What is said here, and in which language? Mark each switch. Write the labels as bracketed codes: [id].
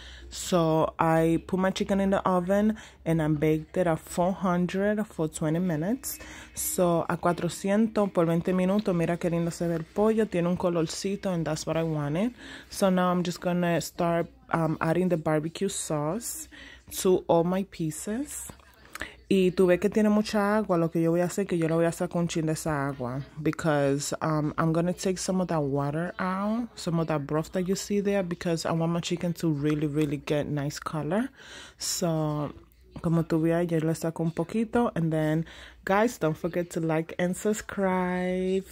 [en] So I put my chicken in the oven and I baked it at 400 for 20 minutes. [es] So a 400 por 20 minutos, mira que lindo se ve el pollo, tiene un colorcito, [en] and that's what I wanted. So now I'm just gonna start adding the barbecue sauce to all my pieces. [es] Y tú ves que tiene mucha agua, lo que yo voy a hacer, que yo lo voy a sacar un chin de esa agua. [en] Because I'm going to take some of that water out, some of that broth that you see there, because I want my chicken to really, really get nice color. [es] So, como tú ves, yo le saco un poquito. [en] And then, guys, don't forget to like and subscribe.